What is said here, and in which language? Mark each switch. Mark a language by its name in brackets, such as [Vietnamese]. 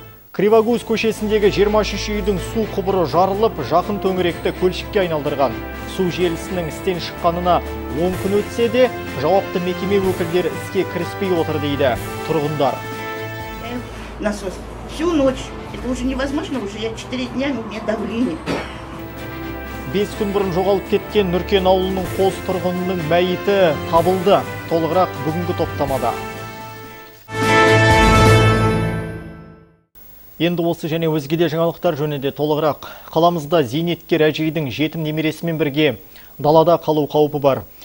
[Kazakh] Кривогуз көшесіндегі 23 үйдің су құбыры жарылып, жақын төңіректі көлшікке айналдырған. Су желісінің істен шыққанына 10 күн өтсе де, жауапты мекеме өкілдері іске кіріспей отыр дейді тұрғындар. [Russian] Насос. Всю ночь. Это уже невозможно, уже я 4 дня, у меня давление. [Kazakh] 5 күн бұрын жоғалып кеткен Нүркен ауылының қос тұрғынының мәйіті табылды. Толығырақ бүгінгі топтамада. Енді осы және өзгеде жаңалықтар жөнінде толығырақ. Қаламызда зейнеткер әжейдің жетім немересімен бірге далада қалу қаупі бар.